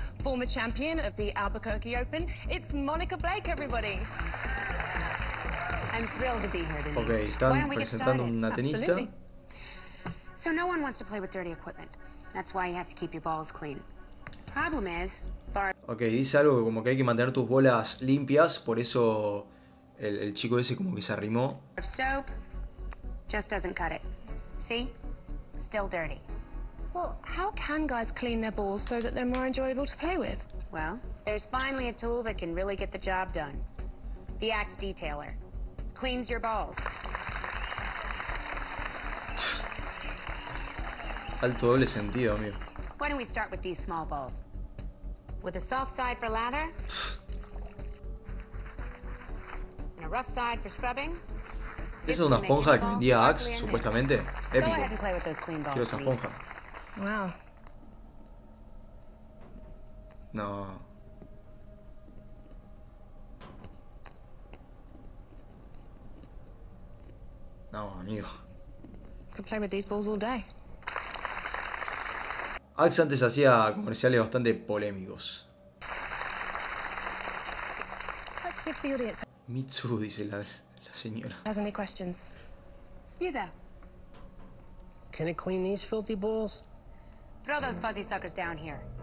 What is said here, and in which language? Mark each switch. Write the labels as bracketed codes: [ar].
[en] Former champion of the Albuquerque Open, it's Monica Blake, everybody. I'm thrilled to be here, Denise. [es] Ok, están presentando una tenista. [en] So no one wants to play with dirty equipment. That's why you have to keep your balls clean. Problem is, [es] okay, dice algo como que hay que mantener tus bolas limpias, por eso el chico ese como que se arrimó. [en] Soap just doesn't cut it. See? Still dirty. Well, how can guys clean their balls so that they're more enjoyable to play with? Well, there's finally a tool that can really get the job done. The Axe Detailer cleans your balls. [es] Alto doble sentido, amigo. [en] Why don't we start with these small balls? With a soft side for lather. And a rough side for scrubbing. [es] Esa es una esponja que vendía Axe, supuestamente. Épico. [en] Go ahead and play with those clean balls. [es] Quiero esa esponja. [en] Wow. [es] No. No, amigo. [en] Could play with these balls all day. [es] Axe antes hacía comerciales bastante polémicos. [en] Let's see if the audience. [es] Mitsu, dice la señora. [en] Has any questions? You there? Can I clean these filthy balls? Throw those fuzzy suckers down here.